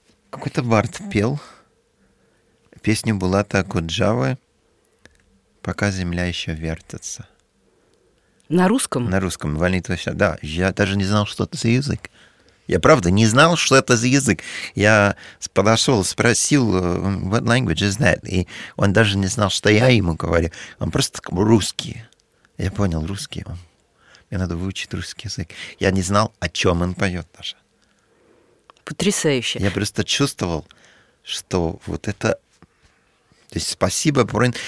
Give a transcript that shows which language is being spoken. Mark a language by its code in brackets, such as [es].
[ru] Какой-то бард пел песню Булата Акуджавы «Пока земля еще вертится». На русском? На русском. Валит вообще. Да, я даже не знал, что это за язык. Я правда не знал, что это за язык. Я подошел, спросил, [en] what language is that? [ru] И он даже не знал, что я ему говорю. Он просто русский. Я понял, русский он. Мне надо выучить русский язык. Я не знал, о чем он поет даже. Потрясающе. Я просто чувствовал, что вот это... То есть спасибо, Бурин.